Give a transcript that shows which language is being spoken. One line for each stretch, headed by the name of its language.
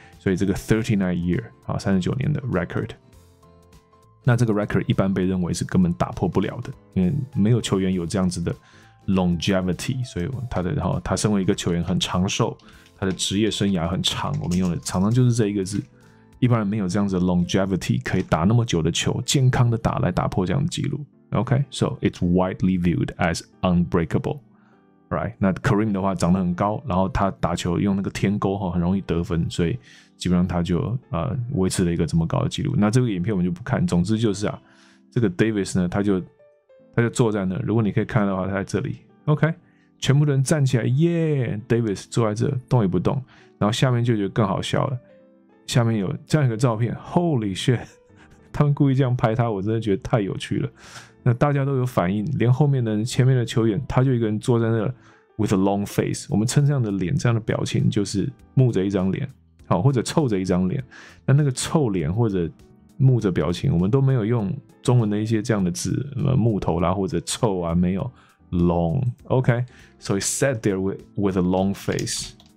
Chinese: 所以这个39 year 啊，39年的 record。那这个 record 一般被认为是根本打破不了的，因为没有球员有这样子的 longevity。所以他的然后他身为一个球员很长寿。他的职业生涯很长，我们用的常常就是这一个字，一般人没有这样子的 longevity 可以打那么久的球，健康的打来打破这样的记录。
English: OK， so it's widely viewed as unbreakable， right？
Chinese: 那 Kareem 的话长得很高，然后他打球用那个天勾很容易得分，所以基本上他就维持了一个这么高的记录。那这个影片我们就不看，总之就是啊，这个 Davis 呢，他就坐在那，如果你可以看的话，他在这里。 OK。 全部人站起来，耶、yeah, ！Davis 坐在这动也不动，然后下面就觉得更好笑了。下面有这样一个照片 ，
English: Holy shit！
Chinese: 他们故意这样拍他，我真的觉得太有趣了。那大家都有反应，连后面的前面的球员，他就一个人坐在那 ，
English: with a long face。
Chinese: 我们称这样的脸，这样的表情就是木着一张脸，好，或者臭着一张脸。那个臭脸或者木着表情，我们都没有用中文的一些这样的字，木头啦或者臭啊，没有。
English: Long, okay. So he sat there with a long face.